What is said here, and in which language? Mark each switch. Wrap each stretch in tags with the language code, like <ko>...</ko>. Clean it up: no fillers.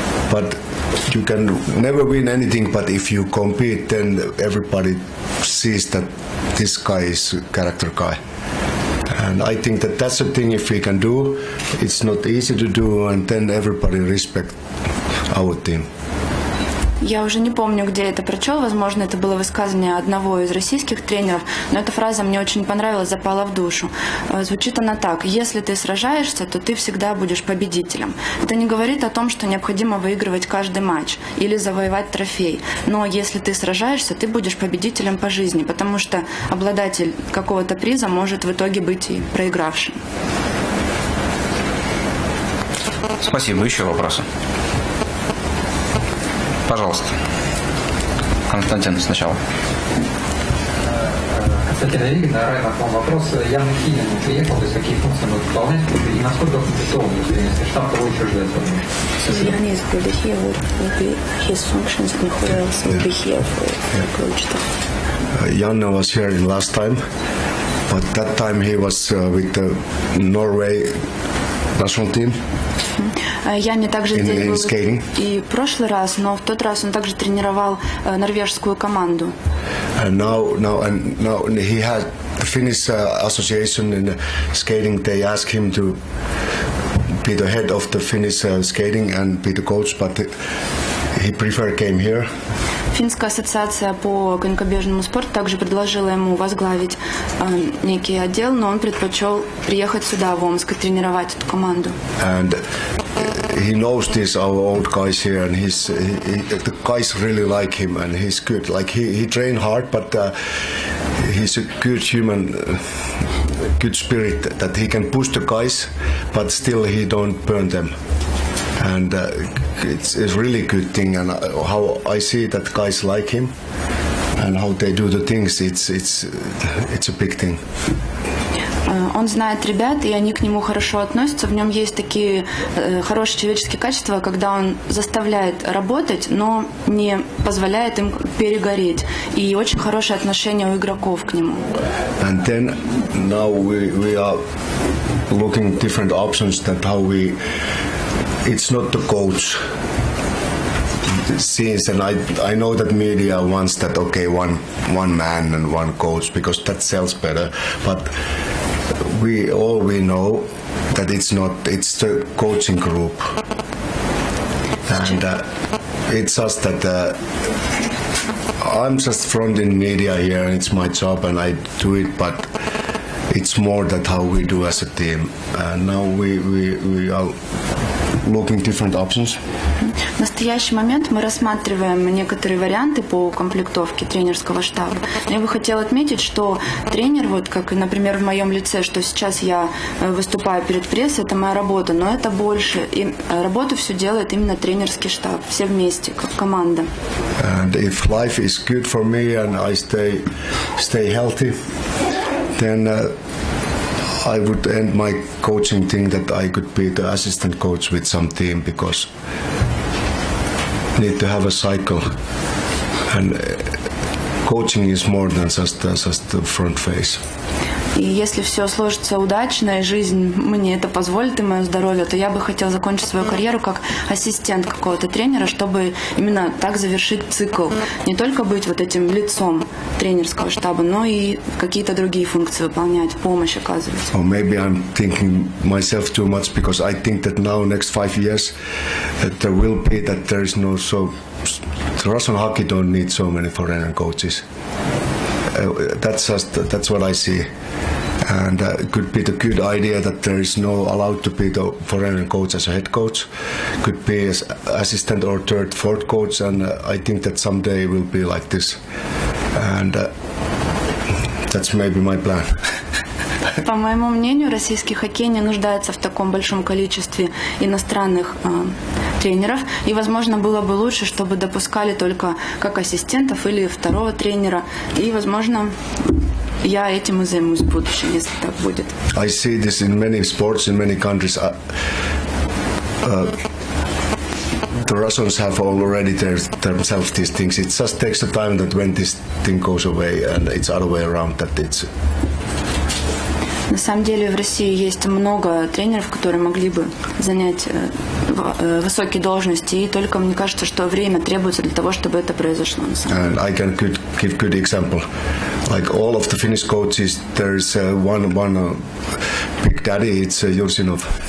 <en>But you can never win anything. But if you compete, then everybody sees that this guy is character guy. And I think that that's a thing if we can do, it's not easy to do, and then everybody respect our team.</en> <ru>Я уже не помню, где это прочел, возможно, это было высказывание одного из российских тренеров, но эта фраза мне очень понравилась, запала в душу. Звучит она так: если ты сражаешься, то ты всегда будешь победителем. Это не говорит о том, что необходимо выигрывать каждый матч или завоевать трофей, но если ты сражаешься, ты будешь победителем по жизни, потому что обладатель какого-то приза может в итоге быть и проигравшим. Спасибо. Еще вопросы? Пожалуйста. Константин сначала. Константин Олегин, да, Райан, к вам вопрос. Ян Хинин приехал, то есть какие функции будут выполнять, и насколько он готов, если штаб того еще ждет?</ru> <en>Ян is good here, what would be his functions, and who else would be here for the coach? Ян was here in last time, but that time he was with the Norway national team.</en> <ru>Я не также делал и прошлый раз, но в тот раз он также тренировал норвежскую команду.</ru> <en>Now he had the Finnish association in skating. They asked him to be the head of the Finnish skating and be the coach, but he preferred came here.</en> <ru>Финская ассоциация по конькобежному спорту также предложила ему возглавить некий отдел, но он предпочел приехать сюда, в Омск, и тренировать эту команду.</ru> <en>And he knows these our old guys here, and the guys really like him, and he's good. Like he trained hard, but he's a good human, good spirit, that he can push the guys, but still he don't burn them. And it's a really good thing, and how I see that guys like him, and how they do the things, it's a big thing.</en> <ru>Он знает ребят, и они к нему хорошо относятся. В нем есть такие хорошие человеческие качества, когда он заставляет работать, но не позволяет им перегореть. И очень хорошее отношение у игроков к нему.</ru> <en>And then now we are looking different options that how we. It's not the coach. Since and I know that media wants that okay one man and one coach because that sells better, but we know that it's the coaching group, and it's just that I'm just front in media here, and it's my job and I do it, but it's more that how we do as a team, and now we are looking different options.</en> <ru>В настоящий момент мы рассматриваем некоторые варианты по комплектовке тренерского штаба. Я бы хотела отметить, что тренер, вот как, например, в моем лице, что сейчас я выступаю перед прессой, это моя работа, но это больше. И работу все делает именно тренерский штаб, все вместе, как команда.</ru> <en>And if life is good for me and I stay healthy, then I would end my coaching thing that I could be the assistant coach with some team because need to have a cycle, and coaching is more than just the front face.</en> <ru>И если все сложится удачно, и жизнь мне это позволит, и мое здоровье, то я бы хотела закончить свою карьеру как ассистент какого-то тренера, чтобы именно так завершить цикл. Не только быть вот этим лицом тренерского штаба, но и какие-то другие функции выполнять, помощь оказывать.</ru> <en>Or maybe I'm thinking myself too much, because I think that now, next 5 years, there will be that there is no so... Russian hockey don't need so many foreign coaches. That's what I see. And it could be the good idea that there is no allowed to be the foreign coach as a head coach. Could be as assistant or third, fourth coach. And I think that someday it will be like this. And that's maybe my plan.</en> <ru>По моему мнению, российский хоккей не нуждается в таком большом количестве иностранных тренеров. И, возможно, было бы лучше, чтобы допускали только как ассистентов или второго тренера. И, возможно, я этим и займусь в будущем, если так будет.</ru> <en>I see this in many sports, in many countries. The Russians have already themselves these things. It just takes the time that when this thing goes away and it's other way around that it's...</en> <ru>На самом деле в России есть много тренеров, которые могли бы занять высокие должности, и только мне кажется, что время требуется для того, чтобы это произошло.</ru> <en>And I can give good example. Like all of the Finnish coaches, there is one big daddy, it's Jursinov.</en>